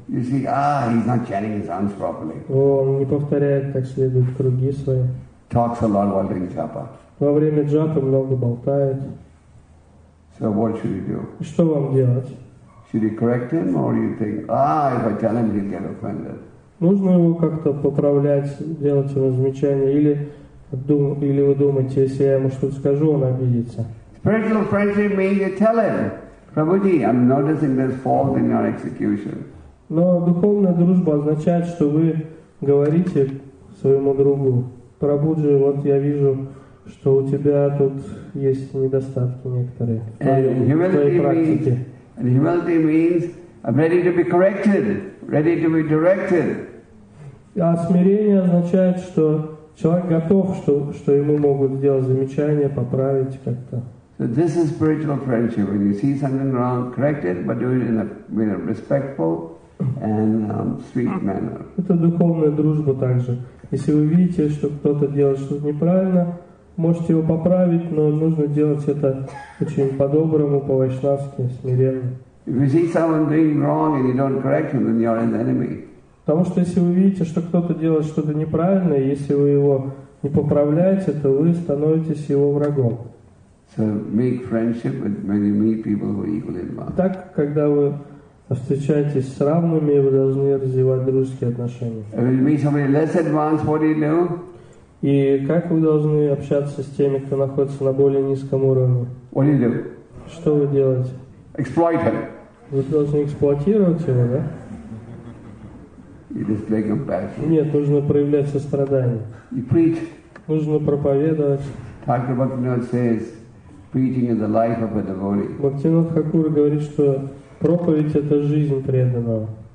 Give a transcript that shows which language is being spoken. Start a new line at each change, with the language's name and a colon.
English: You see, he's not chanting his hands properly.
Russian: Он не повторяет как следует круги свои.
English: Talks a lot while doing japa.
Russian: Во время джапы много болтает.
English: So what should you do?
Russian: Что вам делать?
English: Should you correct him, or you think, if I tell him, he'll get offended?
Russian: Нужно его как-то поправлять, делать ему замечания, или вы думаете, если я ему что-то скажу, он обидится.
English: Spiritual friendship means you tell him, Prabhuji, I'm noticing there's fault in your execution.
Russian: Но духовная дружба означает, что вы говорите своему другу, Прабуджи, вот я вижу, что у тебя тут есть недостатки некоторые в твоей практике.
English: And humility means I'm ready to be corrected. Ready to be directed.
Russian: А смирение означает, что человек готов, что ему могут сделать замечание, поправить как-то.
English: So this is spiritual friendship. When you see something wrong, correct it, but do it in a respectful and sweet manner.
Russian: Это духовная дружба также. Если вы видите, что кто-то делает что-то неправильно, можете его поправить, но нужно делать это очень по-доброму, по-вайшнавски, смиренно.
English: If you see someone doing wrong and you don't correct him, then you're an enemy.
Russian: Потому что если вы видите, что кто-то делает что-то неправильное, если вы его не поправляете, то вы становитесь его врагом.
English: So make friendship with when you meet people who are equally involved.
Russian: Так, когда вы встречаетесь с равными, вы должны развивать дружеские отношения.
English: If you meet somebody less advanced, what do you do?
Russian: И как вы должны общаться с теми, кто находится на более низком уровне?
English: What do you do?
Russian: Что вы делаете?
English: Exploit him.
Russian: Вы должны эксплуатировать его, да?
English: You display compassion.
Russian: Нет, нужно проявлять сострадание.
English: You preach.
Russian: Нужно проповедовать.
English: Dr. Bhaktivinoda says, preaching is the life of a devotee.
Russian: Бхактинод Хакур говорит, что проповедь — это жизнь преданного.